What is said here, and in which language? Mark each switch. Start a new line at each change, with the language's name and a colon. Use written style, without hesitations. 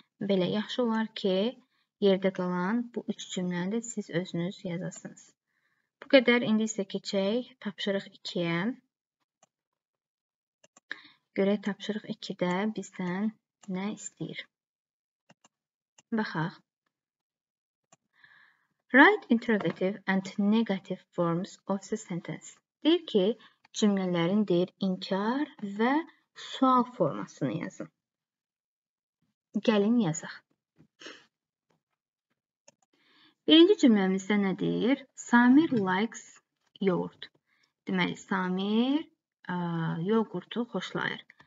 Azerbaijani: Belə yaxşı olar ki, yerdə qalan bu 3 cümləni də siz özünüz yazasınız. Bu qədər, indi isə keçək tapşırıq 2-yə. Görək tapşırıq 2-də bizdən nə istəyir? Baxaq.
English: Write interrogative and negative forms of the sentence.
Azerbaijani: Deyir ki, cümlələrin deyir inkar və sual formasını yazın. Gəlin yazaq. Birinci cümləmizdə nə deyir?
English: Samir likes yoğurt.
Azerbaijani: Deməli, Samir yoğurtu xoşlayır.